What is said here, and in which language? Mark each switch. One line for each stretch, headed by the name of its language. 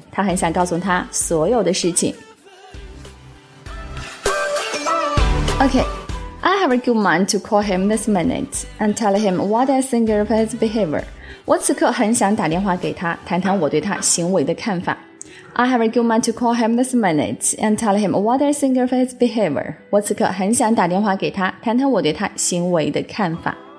Chinese: 她很想告诉他所有的事情。
English: Okay, I have a good mind to call him this minute and tell him what I think of his behavior.
Chinese: 我此刻很想打电话给他，谈谈我对他行为的看法。
English: I have a good mind to call him this minute and tell him what I think of his behavior.
Chinese: 我此刻很想打电话给他，谈谈我对他行为的看法。